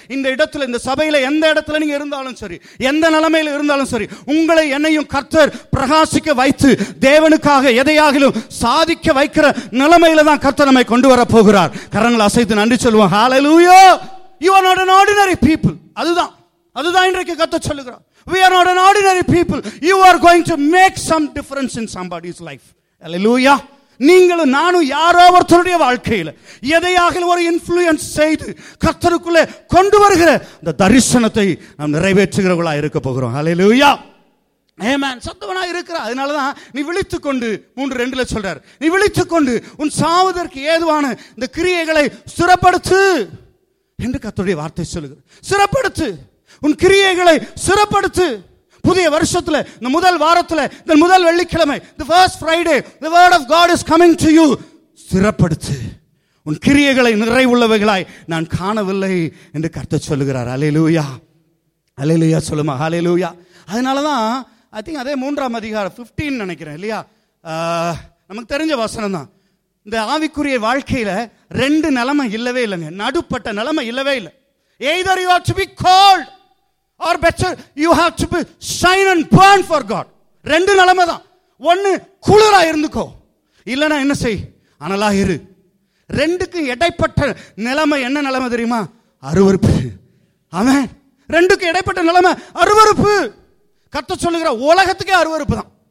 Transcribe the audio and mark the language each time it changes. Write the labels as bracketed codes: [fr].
[ta] இந்த இடத்துல, இந்த சபையில, எந்த இடத்துல நீங்க இருந்தாலும் சரி, எந்த நிலைமையில இருந்தாலும் சரி, உங்களை என்னையும் கர்த்தர் பிரகாசிக்க வைத்து தேவனுக்காக எதையாகிலும் சாதிக்க வைக்கிற நிலைமையில தான் கர்த்தர் நம்மை கொண்டு வர போகிறார். கரங்களை அசைத்து நன்றி சொல்லுவோம். Hallelujah. [en] You are not an ordinary people. [ta] அதுதான் இன்றைக்கு கர்த்தர் சொல்லுகிறார். [en] We are not an ordinary people. You are going to make some difference in somebody's life. Hallelujah. [ta] நீங்களும் நானும் யாரோ ஒருத்தருடைய வாழ்க்கையில் எதையாக ஒரு இன்ஃப்ளூயன்ஸ் செய்து கர்த்தருக்குள்ளே கொண்டு வருகிற அந்த தரிசனத்தை நாம் நிறைவேற்றுகிறவர்களாக இருக்க போகிறோம். ஹல்லேலூயா. ஆமென். சத்தவனாக இருக்கிற, அதனால தான் நீ விழித்து கொண்டு 3:2 சொல்றார், நீ விழித்து கொண்டு உன் சாவதற்கு ஏதுவான இந்த கிரியைகளை சிறப்படுத்து என்று கர்த்தருடைய வார்த்தை சொல்லுகிற. சிறப்படுத்து உன் கிரியைகளை, சிறப்படுத்து. புதிய வருஷத்துல, இந்த முதல் வாரத்துல, இந்த முதல் வெள்ளிக்கிழமை, [en] the first Friday, the word of God is coming to you. [ta] சிறப்படுத்து உன் கிரியைகளை நிறைவுள்ளவைகளாய் நான் காணவில்லை என்று கர்த்தர் சொல்லுகிறார். அல்லேலூயா. அல்லேலூயா சொல்லுமா. அல்லேலூயா. அதனால தான் [en] I think [ta] அதே மூன்றாம் அதிகாரம் 15 நினைக்கிறேன் இல்லையா, நமக்கு தெரிஞ்ச வசனம் தான். இந்த ஆவிக்குரிய வாழ்க்கையில் ரெண்டு நிலைமை இல்லவே இல்லைங்க, நடுப்பட்ட நிலைமை இல்லவே இல்லை. [en] Either you have to be cold or better you have to be shine and burn for God. [ta] ரெண்டு நிலைமை தான். ஒன்று குளிரா இருந்துக்கோ, இல்லைனா என்ன செய், அனலாக இரு. ரெண்டுக்கும் இடைப்பட்ட நிலைமை என்ன நிலைமை தெரியுமா, அருவறுப்பு. ஆமென். ரெண்டுக்கும் இடைப்பட்ட நிலைமை அருவறுப்பு. கர்த்தர் சொல்லுகிற உலகத்துக்கே அருவறுப்பு தான்.